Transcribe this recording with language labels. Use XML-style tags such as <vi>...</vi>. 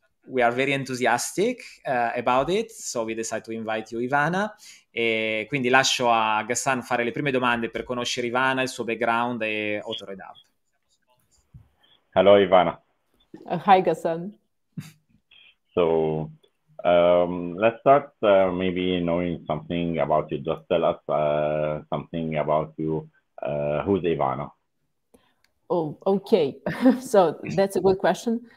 <en>We are very enthusiastic about it, so we decided to invite you, Ivana.</en> <it>E quindi lascio a Gassan fare le prime domande per conoscere Ivana, il suo background e Authoredup.</it> <en>Hello, Ivana. Hi, Gassan. So, let's start maybe knowing something about you. Just tell us something about you. Who's Ivana? Oh, okay. So that's a good question.</en>